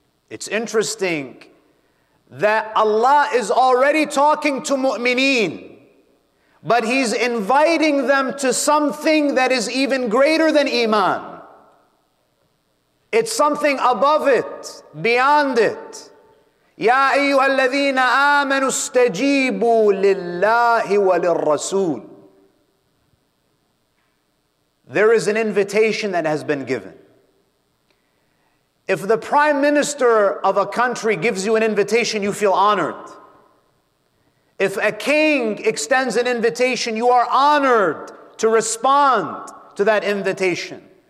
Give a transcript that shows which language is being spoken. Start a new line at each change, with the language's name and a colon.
English: It's interesting that Allah is already talking to mu'mineen, but He's inviting them to something that is even greater than iman. It's something above it, beyond it.
Arabic: يا أيها الذين آمنوا استجيبوا لله وللرسول.
English: There is an invitation that has been given. If the prime minister of a country gives you an invitation, you feel honored. If a king extends an invitation, you are honored to respond to that invitation.